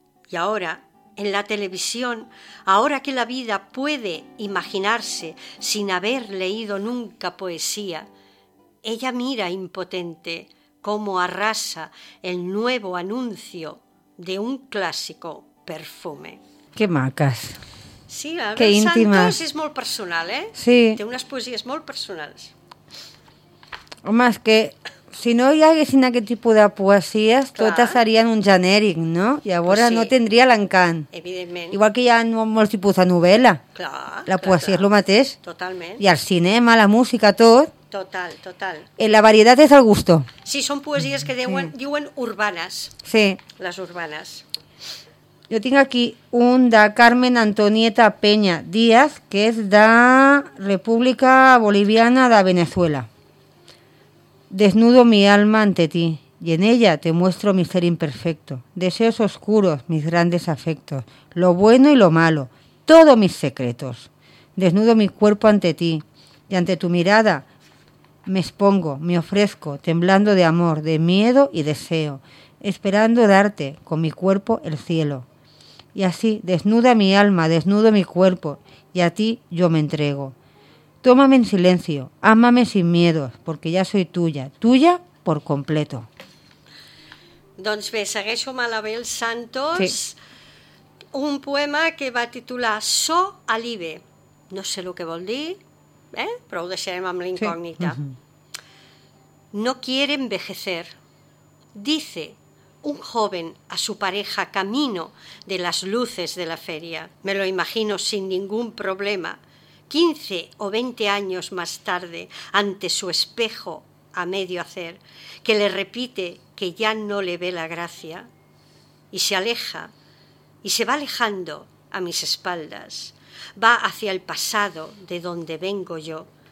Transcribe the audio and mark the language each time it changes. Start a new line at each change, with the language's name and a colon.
Spanish: Y ahora, en la televisión, ahora que la vida puede imaginarse sin haber leído nunca poesía, ella mira impotente cómo arrasa el nuevo anuncio de un clásico perfume.
Catalan: Qué macas. Sí, Abel Santos és molt personal, eh? Sí. Té unes poesies molt personals. Home, és que si no hi haguessin aquest tipus de poesies, clar, totes serien un genèric, no? Llavors pues sí, no tindria l'encant. Evidentment. Igual que hi ha molts tipus de novel·la. Clar. La poesia clar, és el mateix. Totalment. I el cinema, la música, tot. Total, total. La varietat és el gusto. Sí, són poesies que diuen, sí, diuen urbanes. Sí. Les urbanes. Jo tinc aquí un de Carmen Antonieta Peña Díaz, que és de República Boliviana de Venezuela.
Spanish: Desnudo mi alma ante ti, y en ella te muestro mi ser imperfecto. Deseos oscuros, mis grandes afectos, lo bueno y lo malo, todos mis secretos. Desnudo mi cuerpo ante ti, y ante tu mirada me expongo, me ofrezco, temblando de amor, de miedo y deseo, esperando darte con mi cuerpo el cielo. Y así, desnuda mi alma, desnudo mi cuerpo, y a ti yo me entrego. Tómame en silencio, ámame sin miedos, porque ya soy tuya, tuya por completo.
Catalan: Doncs bé, segueixo amb l'Abel Santos, sí, un poema que va titular So Alive. No sé el que vol dir, eh? Però ho deixarem amb l'incògnita. Sí.
Spanish: No quiere envejecer, dice un joven a su pareja camino de las luces de la feria. Me lo imagino sin ningún problema, 15 o 20 años más tarde, ante su espejo a medio hacer, que le repite que ya no le ve la gracia, y se aleja, y se va alejando a mis espaldas, va hacia el pasado de donde vengo yo,